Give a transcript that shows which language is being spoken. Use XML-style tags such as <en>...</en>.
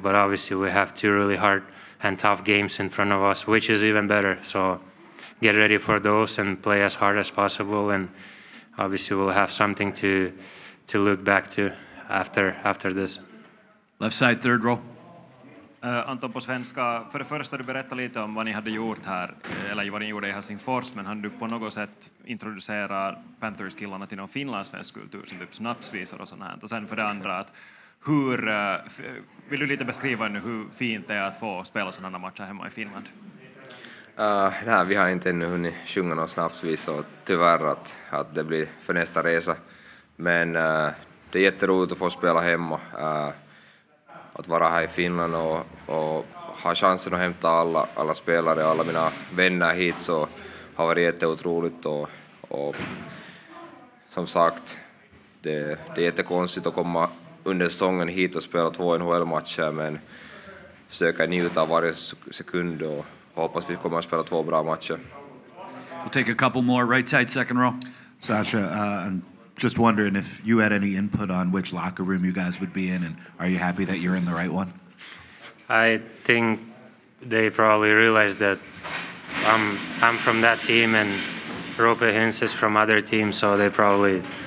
<en>But obviously we have two really hard and tough games in front of us, which is even better. So get ready for those and play as hard as possible. And obviously we'll have something to look back to after this. Left side, third row.</en> <sv>Anton på svenska. För det första, du berättade lite om vad ni hade gjort här, eller vad ni gjorde i Helsingfors, men hann du på något sätt introducera Panthers-killarna till någon finlandssvensk kultur, som typ snapsvisor och sånt här? Och sen för det andra, att hur, vill du lite beskriva nu hur fint det är att få spela sådana matcher hemma i Finland? Nej, vi har inte ännu hunnit sjunga någon snapsvisor, tyvärr att det blir för nästa resa. Men det är jätteroligt att få spela hemma. Att vara här i Finland och ha chansen att hämta alla spelare och alla mina vänner hit, så har varit jätteotroligt. Och som sagt, det är jättekonstigt att komma under säsongen hit och spela två NHL-matcher, men försöka njuta av varje sekund och hoppas vi kommer att spela två bra matcher.</sv> <en>We'll take a couple more, right side, second row. Sasha, just wondering if you had any input on which locker room you guys would be in, and are you happy that you're in the right one? I think they probably realized that I'm from that team and Roope Hintz is from other teams, so they probably</en>